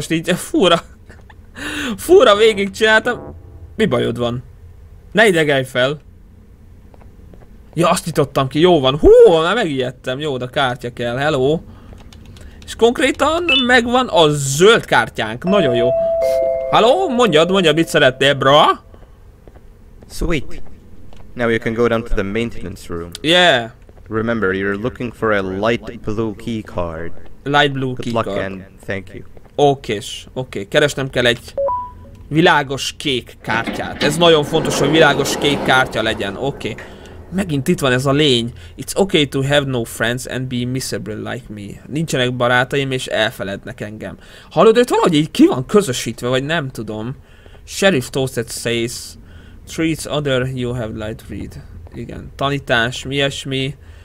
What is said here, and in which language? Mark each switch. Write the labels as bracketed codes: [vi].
[hu] Most így fura. Fura végigcsináltam. Mi bajod van? Ne idegelj fel. Ja, azt nyitottam ki, jó van. Hú, már megijedtem. Jó, de kártya kell. Hello. És konkrétan megvan a zöld kártyánk. Nagyon jó. Hello, mondjad, mit szeretnél, bra? [en] Sweet. Now you can go down to the maintenance room. Yeah. Remember, you're looking for a light blue key card. Light blue key card. Good luck and thank you. Okay. [hu] Keresnem kell egy világos kék kártyát. Ez nagyon fontos, hogy világos kék kártya legyen. Okay. Megint itt van ez a lény. [en] It's okay to have no friends and be miserable like me. [hu] Nincsenek barátaim és elfelednek engem. Hallod, őt valahogy így ki van közösítve, vagy nem tudom. [en] Sheriff Toasted says, treats other you have light read. [hu] Igen, tanítás, mi ilyesmi.